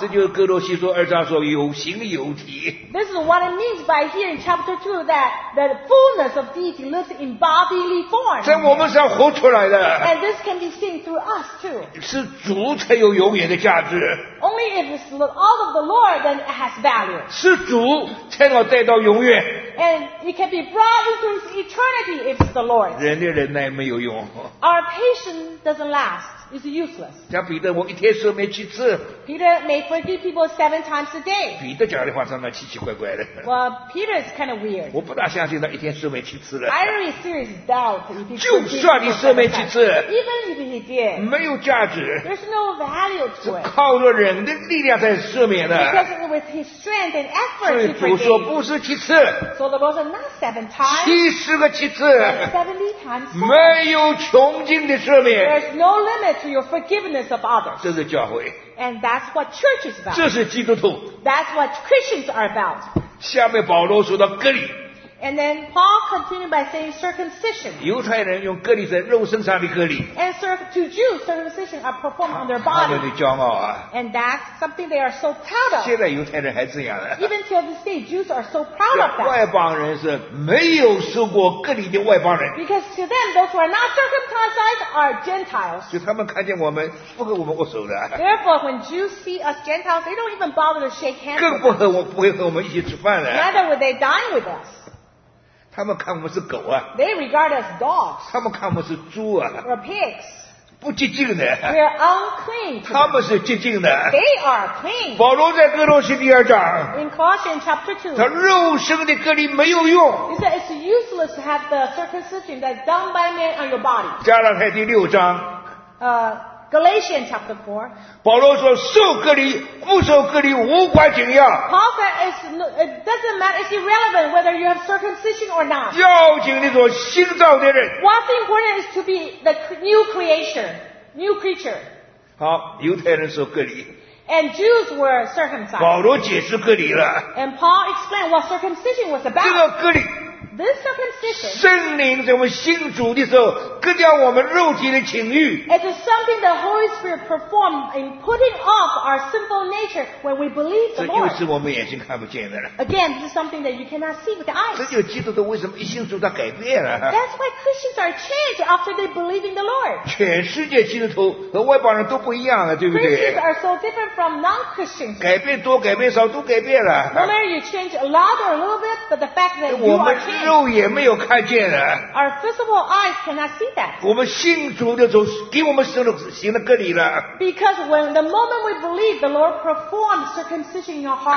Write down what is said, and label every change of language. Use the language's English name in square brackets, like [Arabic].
[Chinese] 这就是哥罗西书二章说有形有体 [English] This is what it means by here in chapter 2 that the fullness of deity lives in bodily form [Chinese] 在我们身上活出来的 [English] And this can be seen through us too [Chinese] 是主才有永远的价值 [English] Only if it's all of the Lord then it has value [Chinese] 是主才能带到永远 [English] And it can be brought into eternity If it's the Lord. [Chinese] 人的忍耐没有用。 [English] Our patience doesn't last. It's useless. [Chinese] 像彼得，我一天赦免七次。 [English] Peter may forgive people 7 times a day. [Chinese] 彼得讲的话真的奇奇怪怪的。 [English] Well, Peter is kind of weird. [Chinese] 我不大相信他一天赦免七次的。 [English] I really serious doubt if he. [Chinese] 就算你赦免七次 [English] ，even if he did， [Chinese] 没有价值。 [English] There's no value to it. [Chinese] 是靠着人的力量才赦免的。 [English] Because with his strength and effort, he forgave. [Chinese] 所以主说不是七次。 [English] So the Lord said not 7 times. [Chinese] 70个七次。 [English] 70 times 7, [Chinese] 没有穷尽的赦免。 [English] There's no limit to your forgiveness of others. [Chinese] 这是教会。 [English] And that's what church is about. [Chinese] 这是基督徒。 [English] That's what Christians are about. [Chinese] 下面保罗说到割礼。 [English] And then Paul continued by saying circumcision. [Chinese] 犹太人用割礼在肉身上的割礼。 [English] And to Jews, circumcision are performed on their body. [Chinese] 他们的骄傲啊。 [English] And that's something they are so proud of. [Chinese] 现在犹太人还这样呢。 [English] Even till this day, Jews are so proud of that. [Chinese] 外邦人是没有受过割礼的外邦人。 [English] Because to them, those who are not circumcised are Gentiles. [Chinese] 就他们看见我们不和我们握手的。 [English] Therefore, when Jews see us Gentiles, they don't even bother to shake hands. [Chinese] 更不和我不会和我们一起吃饭了。 [English] Neither would they dine with us. [Chinese] 他们看我们是狗啊 [English] ！They regard us dogs. [Chinese] 他们看我们是猪啊 [English] ！Or pigs. [Chinese] 不洁净的。 [English] We are unclean. [Chinese] 他们是洁净的。 [English] They are clean. [Chinese] 保罗在哥罗西第二章。 [English] In Colossians chapter 2. [Chinese] 他肉身的割礼没有用。 [English] He said it's useless to have the circumcision that's done by man on your body. [Chinese] 加拉太第六章。 [English] Galatians chapter 4. [Chinese] 保罗说受割礼不受割礼无关紧要。 [English] Paul said it doesn't matter, it's irrelevant whether you have circumcision or not. [Chinese] 要紧的说新造的人。 [English] What's important is to be the new creation, new creature. [Chinese] 好，犹太人受割礼。 [English] And Jews were circumcised. [Chinese] 保罗解释割礼了。 [English] And Paul explained what circumcision was about. [Chinese] 这个割礼。 [English] This circumcision, [Chinese] 圣灵在我们信主的时候割掉我们肉体的情欲 [English] It is something the Holy Spirit performed in putting off our sinful nature when we believe the Lord. [Chinese] 这就是我们眼睛看不见的了 [English] Again, this is something that you cannot see with the eyes. [Chinese] 这就是基督徒为什么一信主他改变了 [English] That's why Christians are changed after they believe in the Lord. [Chinese] 全世界基督徒和外邦人都不一样了，对不对 [English] Christians are so different from non-Christians. [Chinese] 改变多改变少都改变了 [English] No matter you change a lot or a little bit, but the fact that you are changed. [Chinese] 肉眼没有看见的。 [English] Our physical eyes cannot see that. [Chinese] 我们信主的时候，给我们神了行了割礼了。 [English] Because when the moment we believe, the Lord performed circumcision in your heart.